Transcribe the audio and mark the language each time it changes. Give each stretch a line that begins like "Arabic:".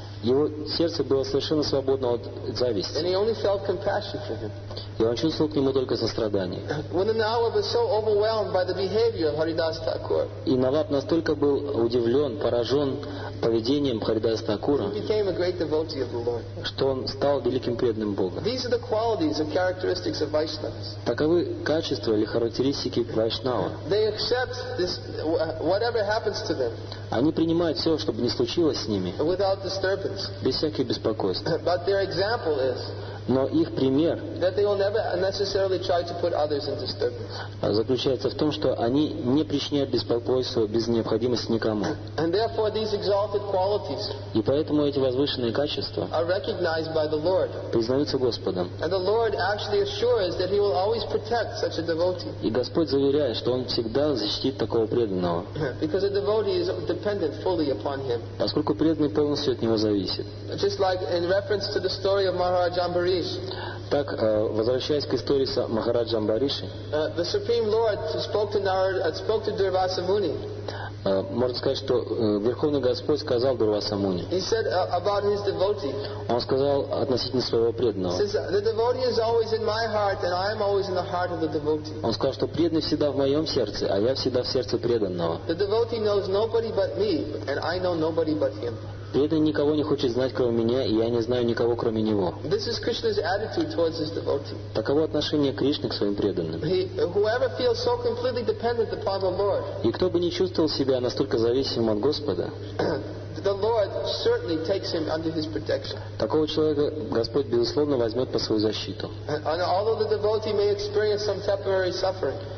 Russian: Его сердце было совершенно свободно от зависти.
English: And he only felt compassion for him.
Russian: И он чувствовал к нему только сострадание.
English: When the Nawab was so overwhelmed by the behavior of Haridas Thakur,
Russian: и Наваб настолько был удивлен, поражен поведением Харидас Такура,
English: he became a great devotee of the Lord.
Russian: Что он стал великим преданным Бога.
English: These are the qualities or characteristics of Vaishnavas.
Russian: Таковы качества или характеристики Вайшнава.
English: They accept this, whatever happens to them.
Russian: Они принимают все, что бы ни случилось с ними,
English: without disturbance.
Russian: Без всяких беспокойств.
English: But their example is,
Russian: но их пример заключается в том, что они не причиняют беспокойство без необходимости никому.
English: And therefore these exalted qualities,
Russian: и поэтому эти возвышенные качества,
English: are recognized by the Lord,
Russian: признаются Господом.
English: And the Lord actually assures that he will always protect such a devotee.
Russian: И Господь заверяет, что он всегда защитит такого преданного.
English: Because a devotee is dependent fully upon him.
Russian: Поскольку преданный полностью от него зависит.
English: Just like in reference to the story of Maharaj Ambarish.
Russian: Так, возвращаясь к истории с Махараджем Амбаришем,
English: the Supreme Lord spoke to Narada, spoke to Durvasa Muni.
Russian: можно сказать, что Верховный Господь сказал Дурвасе Муни.
English: He said about his devotee.
Russian: Он сказал относительно своего преданного.
English: The devotee is always in my heart, and I am always in the heart of the devotee.
Russian: Он сказал, что преданный всегда в моем сердце, а я всегда в сердце преданного.
English: The devotee knows nobody but me, and I know nobody but him.
Russian: Преданный никого не хочет знать, кроме меня, и я не знаю никого, кроме него.
English: This is Krishna's attitude towards his devotee.
Russian: Таково отношение Кришны к своим преданным.
English: Whoever feels so completely dependent upon the Lord.
Russian: И кто бы не чувствовал себя настолько зависимым от Господа,
English: the Lord certainly takes him under his protection.
Russian: Такого человека Господь безусловно возьмет под свою защиту.
English: And although the devotee may experience some temporary suffering.